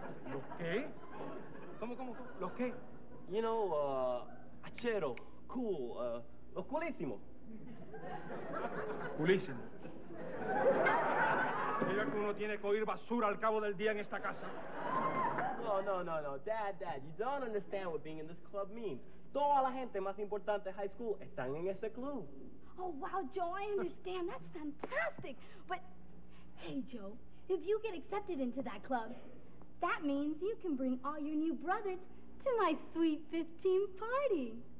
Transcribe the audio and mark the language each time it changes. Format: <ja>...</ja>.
<es>¿Los qué? ¿Cómo? ¿Los qué?</es> <en>You know, achero, cool,</en> <es>los culísimos. Culísimo. Mira que uno tiene que oír basura al cabo del día en esta casa. No.</es> <en>Dad, you don't understand what being in this club means.</en> <es>Toda la gente más importante high school están en ese club.</es> <en>Oh, wow, Joe, I understand. That's fantastic. But, hey, Joe, if you get accepted into that club, that means you can bring all your new brothers to my sweet 15 party.</en>